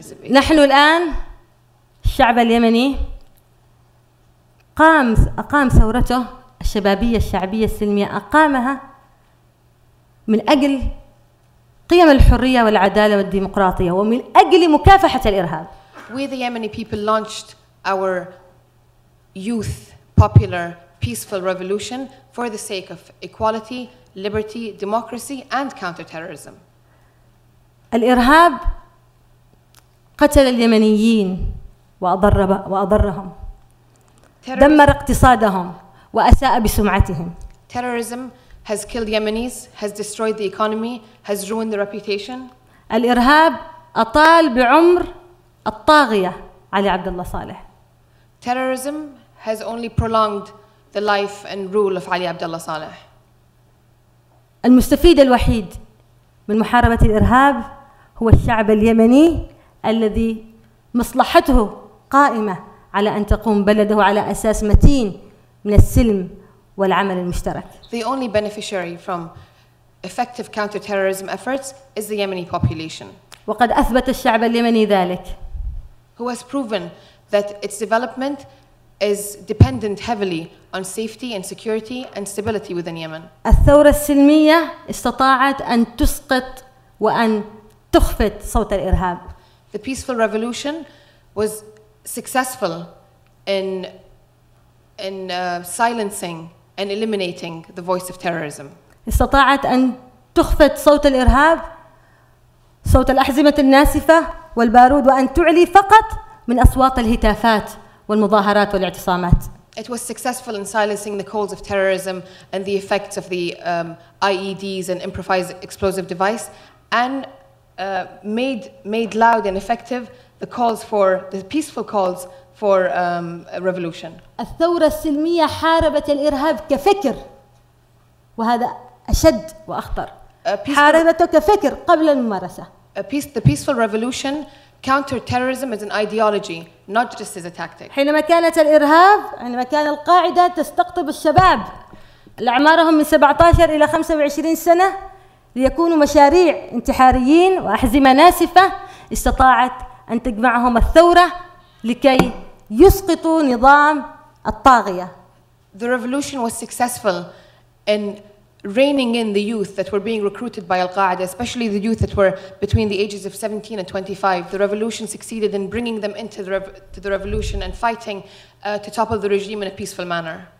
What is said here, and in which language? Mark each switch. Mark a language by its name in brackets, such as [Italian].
[Arabic] نحن الآن الشعب اليمني أقام ثورته الشبابية الشعبية السلمية أقامها من أجل قيم الحرية والعدالة والديمقراطية ومن أجل مكافحة الإرهاب. [English] We the Yemeni people launched our youth popular peaceful revolution for the sake of equality, liberty, democracy and counter-terrorism. [Arabic] الإرهاب قتل اليمنيين وأضرهم دمر اقتصادهم وأساء بسمعتهم. [English] Terrorism has killed Yemenis, has destroyed the economy, has ruined the reputation. [Arabic] الإرهاب أطال بعمر الطاغية علي عبد الله صالح. [English] Terrorism has only prolonged the life and rule of علي عبد الله صالح. [Arabic] المستفيد الوحيد من محاربة الإرهاب هو الشعب اليمني الذي مصلحته قائمة على أن تقوم بلده على أساس متين من السلم والعمل المشترك. [English] The only beneficiary from effective counter-terrorism efforts is the Yemeni population. [Arabic] وقد أثبت الشعب اليمني ذلك. [English] Who has proven that its development is dependent heavily on safety and security and stability within Yemen. [Arabic] الثورة السلمية استطاعت أن تسقط وأن تخفت صوت الإرهاب. [English] The peaceful revolution was successful in silencing and eliminating the voice of terrorism. [Arabic] استطاعت أن تخفت صوت الإرهاب, صوت الأحزمة الناسفة والبارود, وأن تعلي فقط من أصوات الهتافات والمظاهرات والاعتصامات. [English] It was successful in silencing the calls of terrorism and the effects of the IEDs and improvised explosive device, and made loud and effective the calls for the peaceful calls for a revolution. [Arabic] الثورة السلمية حاربت الإرهاب كفكر, وهذا أشد وأخطر. حاربته كفكر قبل الممارسة. [English] The peaceful revolution countered terrorism as an ideology, not just as a tactic. [Arabic] حينما كانت الإرهاب, حينما كان القاعدة تستقطب الشباب اللي أعمارهم من 17 إلى 25 سنة ليكونوا مشاريع انتحاريين وأحزمة ناسفة, استطاعت أن تجمعهم الثورة لكي يسقطوا نظام الطاغية. [English] The revolution was successful in reining in the youth that were being recruited by Al-Qaeda, especially the youth that were between the ages of 17 and 25. The revolution succeeded in bringing them into the revolution and fighting to topple the regime in a peaceful manner.